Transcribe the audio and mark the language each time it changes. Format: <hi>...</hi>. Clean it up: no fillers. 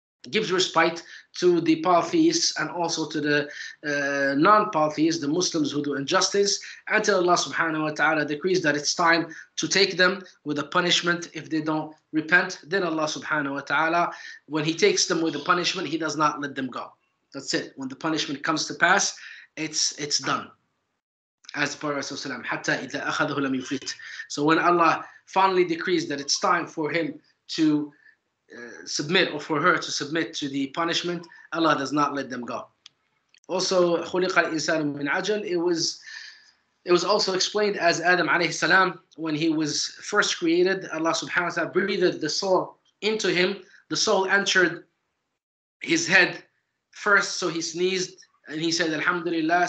<en>gives respite to the polytheists and also to the non-polytheists, the Muslims who do injustice, until Allah subhanahu wa ta'ala decrees that it's time to take them with a punishment if they don't repent. Then Allah subhanahu wa ta'ala, when He takes them with a punishment, He does not let them go. That's it. When the punishment comes to pass, it's done. As per Rasulullah,</en> <ar>حَتَّى إِذَا أَخَذَهُ لَمْ يُفْلِتْ.</ar> <en>So when Allah finally decrees that it's time for him to submit, or for her to submit to the punishment, Allah does not let them go. Also,</en> <ar>خُلِقَ الْإِنسَانُ مِنْ عَجَلٍ.</ar> <en>It was also explained as Adam عليه السلام, when he was first created, Allah subhanahu wa ta'ala breathed the soul into him. The soul entered his head first, so he sneezed and he said Alhamdulillah.</en>